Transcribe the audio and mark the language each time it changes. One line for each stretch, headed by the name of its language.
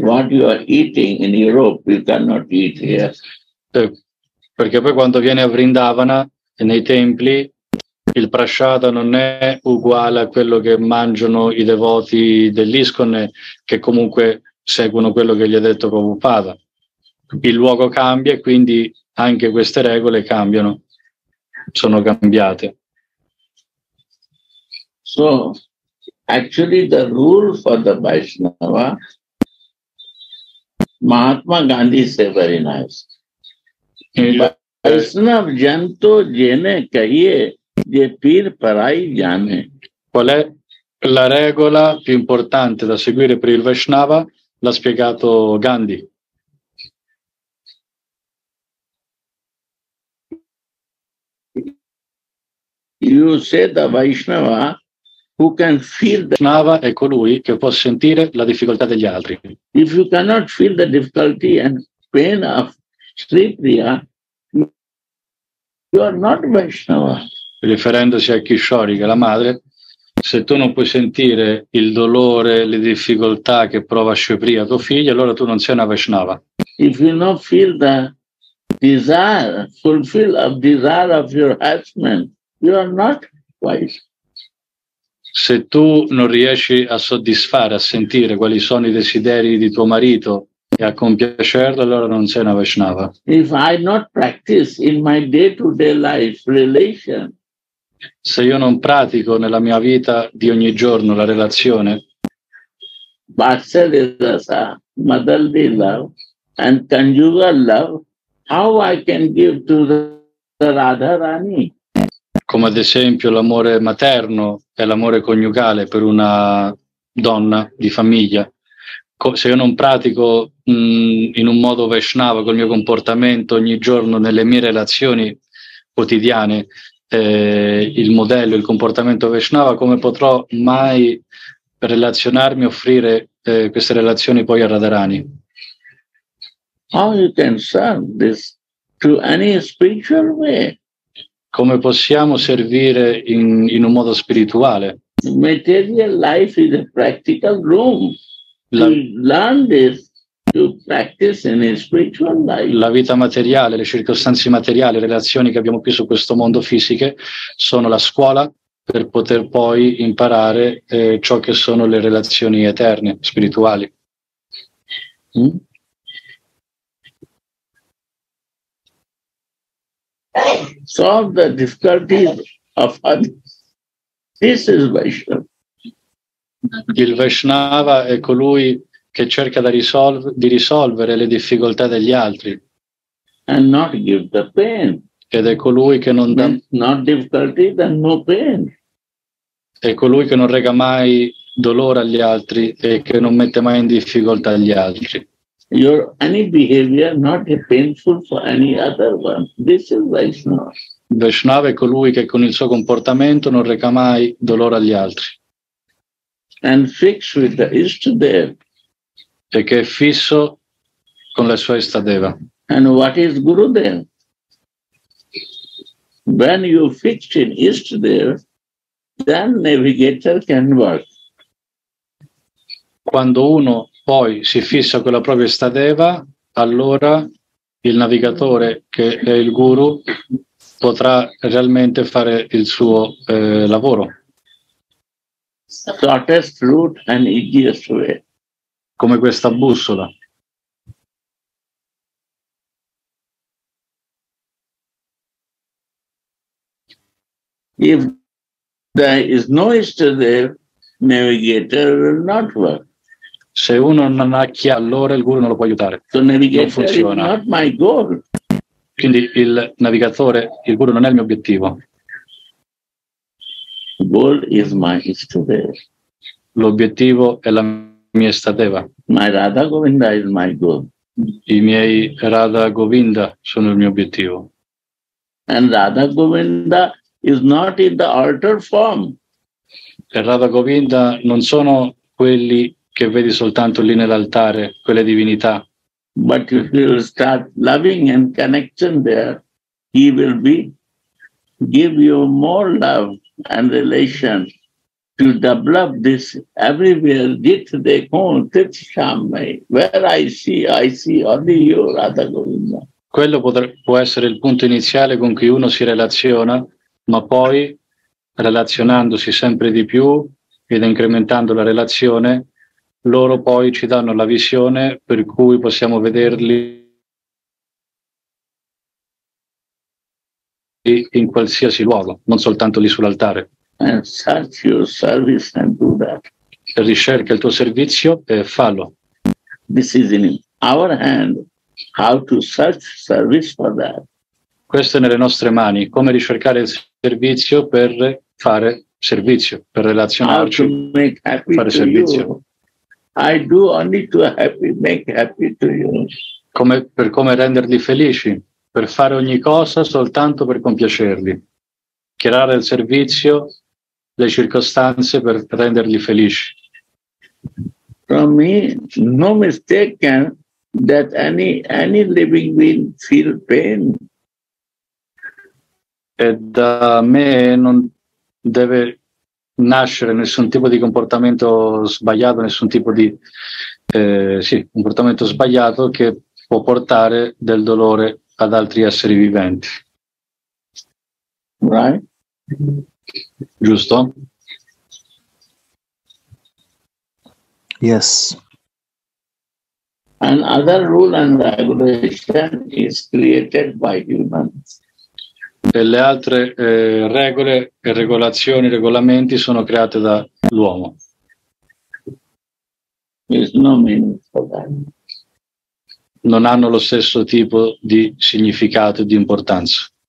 English: What you are eating in Europe, you cannot eat here.
Italian: Perché poi quando viene a Vrindavana, nei templi, il prasciada non è uguale a quello che mangiano i devoti dell'ISKCON, che comunque seguono quello che gli ha detto Prabhupada. Il luogo cambia e quindi anche queste regole cambiano, sono cambiate.
English: So, actually the rule for the Vaisnava Mahatma Gandhi is very nice.
Gujarati: Vaishnav janto jene kahiye je pir parai jane.
Italian: Qual è la regola più importante da seguire per il Vaishnava? L'ha spiegato Gandhi.
English: You say the Vaishnava who can feel the
Italian: Vaishnava è colui che può sentire la difficoltà degli altri.
English: If you cannot feel the difficulty and pain of Sri Priya, you are not Vaishnava.
Italian: Riferendosi a Kishori, che è la madre, se tu non puoi sentire il dolore, le difficoltà che prova Sri Priya, tuo figlio, allora tu non sei una Vaishnava.
English: If you not feel the desire, fulfill of desire of your husband, you are not wise.
Italian: Se tu non riesci a soddisfare, a sentire quali sono i desideri di tuo marito e a compiacerlo, allora non sei una Vaishnava.
English: If I not practice in my day-to-day life relation,
Italian: se io non pratico nella mia vita di ogni giorno la relazione,
English: Vatsalya, motherly love and conjugal love, how I can give to the Radharani?
Italian: Come ad esempio l'amore materno e l'amore coniugale per una donna di famiglia. Se io non pratico in un modo Vaishnava col mio comportamento ogni giorno nelle mie relazioni quotidiane, il modello, il comportamento Vaishnava, come potrò mai relazionarmi, offrire queste relazioni poi a Radharani?
English: How you can serve this to any spiritual way?
Italian: Come possiamo servire in un modo spirituale?
English: Material life is a practical room. To learn this, to practice in a spiritual life.
Italian: La vita materiale, le circostanze materiali, le relazioni che abbiamo qui su questo mondo fisiche sono la scuola per poter poi imparare ciò che sono le relazioni eterne, spirituali.
English: Solve the difficulties of others. This is Vaishnava.
Italian: Il Vaishnava è colui che cerca di risolvere le difficoltà degli altri.
English: And not give the pain.
Italian: Ed è colui che non dà.
English: Not difficulty, then no pain.
Italian: È colui che non rega mai dolore agli altri e che non mette mai in difficoltà gli altri.
English: Your any behavior not painful for any other one. This is Vaishnava.
Italian: Vaishnava è colui che con il suo comportamento non reca mai dolore agli altri.
English: And fixed with the Ishtadev.
Italian: E che è fisso con la sua Ishtadeva.
English: And what is Gurudev? When you fix in Ishtadev, then navigator can work.
Italian: Quando uno poi si fissa con la propria Ishtadeva, allora il navigatore, che è il guru, potrà realmente fare il suo lavoro.
English: Shortest route and easiest way.
Italian: Come questa bussola.
English: If there is no Ishtadeva, navigator will not work.
Italian: Se uno non ha chi, allora il guru non lo può aiutare.
English: The navigator
Italian: non funziona.
English: Is not my goal.
Italian: Quindi il navigatore, il guru, non è il mio obiettivo.
English: Goal is my Ishtadeva.
Italian: L'obiettivo è la mia Ishtadeva.
English: My Radha Govinda is my goal.
Italian: I miei Radha Govinda sono il mio obiettivo.
English: And Radha Govinda is not in the altar form.
Italian: E Radha Govinda non sono quelli che vedi soltanto lì nell'altare, quelle divinità.
English: But if you start loving and connection there, he will be give you more love and relation to develop this everywhere.
Hindi: Jit de kon tit shamai.
English: Where I see only you, Radha Govinda.
Italian: Quello può essere il punto iniziale con cui uno si relaziona, ma poi relazionandosi sempre di più ed incrementando la relazione, loro poi ci danno la visione per cui possiamo vederli in qualsiasi luogo, non soltanto lì sull'altare.
English: And search your service and do that.
Italian: Ricerca il tuo servizio e fallo.
English: This is in our hand how to search service for that.
Italian: Questo è nelle nostre mani, come ricercare il servizio per fare servizio, per relazionarci,
English: how to make happy
Italian: fare
English: to
Italian: servizio.
English: You. I do only to happy, make happy to you.
Italian: Come, per come renderli felici, per fare ogni cosa soltanto per compiacerli, creare il servizio, le circostanze per renderli felici.
English: For me, no mistaken that any living being feel pain.
Italian: E da me non deve nascere nessun tipo di comportamento sbagliato, nessun tipo di comportamento sbagliato che può portare del dolore ad altri esseri viventi.
English: Right?
Italian: Giusto?
English: Yes. And other rule and regulation is created by humans.
Italian: E le altre regole e regolazioni, regolamenti sono create dall'uomo.
English: There's no meaning for them.
Italian: Non hanno lo stesso tipo di significato e di importanza.